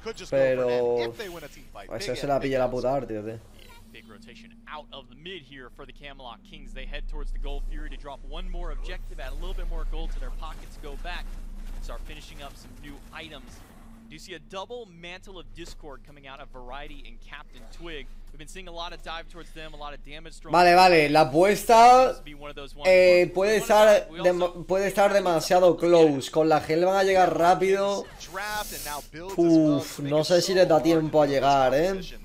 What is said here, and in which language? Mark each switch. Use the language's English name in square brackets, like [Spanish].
[Spanish] Pero eso se la pilla la puta arte, tío. [English] Big rotation out of the mid here for the Camelot Kings. They head towards the Gold Fury to drop one more objective, add a little bit more gold to their pockets, go back, start finishing up some new items. Do you see a double mantle of discord coming out of Variety and Captain Twig? We've been seeing a lot of dive towards them, a lot of damage. [Spanish] Vale, vale, la apuesta puede estar demasiado close. Con la gel van a llegar rápido. Uf, no sé si les da tiempo a llegar, ¿eh?